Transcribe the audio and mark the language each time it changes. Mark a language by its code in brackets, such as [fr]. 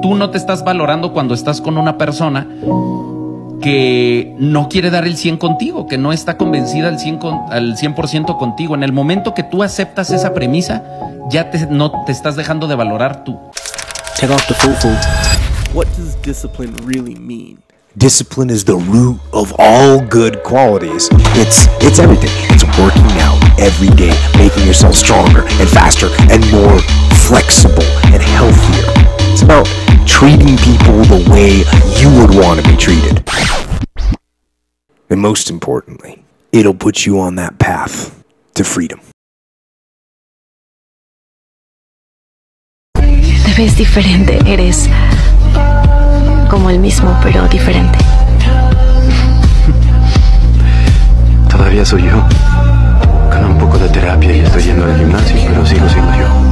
[es] Tú no te estás valorando cuando estás con una persona que no quiere dar el 100 contigo, que no está convencida al 100% contigo. En el momento que tú aceptas esa premisa, ya no te estás dejando de valorar tú. [en] Take off the fufu. What does discipline really mean? Discipline is the root of all good qualities. It's everything. It's working out every day, making yourself stronger and faster and more flexible and healthier. It's about treating people the way you would want to be treated. And most importantly, it'll put you on that path to freedom. [es] Te ves diferente, eres como el mismo, pero diferente. Todavía soy yo. Con un poco de terapia y estoy yendo al gimnasio, pero sigo siendo yo.